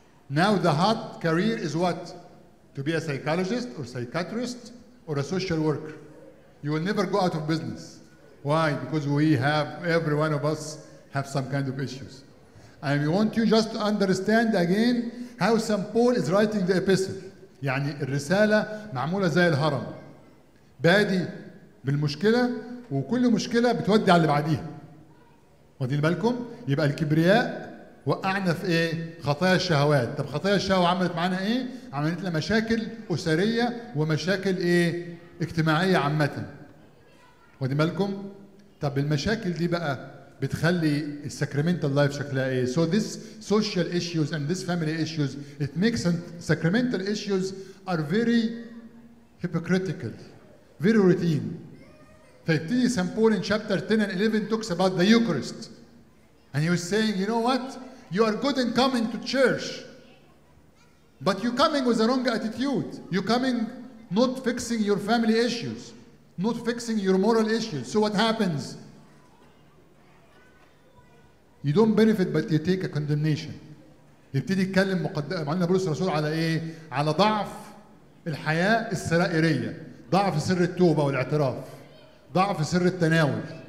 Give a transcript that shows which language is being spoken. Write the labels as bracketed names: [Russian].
[English] Now the hot career is what? To be a psychologist or psychiatrist or a social worker. You will never go out of business. Why? Because we have, every one of us have some kind of issues. And we want you just to understand again how St. Paul is writing the epistle. [Arabic] يعني الرسالة معمولة زي الهرم. بادي بالمشكلة وكل مشكلة بتودي على اللي بعديها. واخدين بالكم؟ يبقى الكبرياء وقعنا في ايه؟ خطايا الشهوات. طب خطايا الشهوات عملت معانا ايه؟ عملت لنا مشاكل أسرية ومشاكل ايه؟ اجتماعية عامة. واخدين بالكم؟ طب المشاكل دي بقى بتخلي السكريمنتال لايف شكلها ايه؟ [English] So this social issues and this family issues, it makes sacramental issues are very hypocritical, very routine. [Arabic] فيبتدي [English] سان بول in chapter 10 and 11 talks about the Eucharist. And he was saying, you know what? You are good in coming to church. But you're coming with the wrong attitude. You're coming not fixing your family issues, not fixing your moral issues. So what happens? You don't benefit, but you take a condemnation. [Arabic] يبتدي يتكلم معنا بولس الرسول على ايه؟ على ضعف الحياة السرائرية. ضعف سر التوبة والاعتراف. ضعف سر التناول.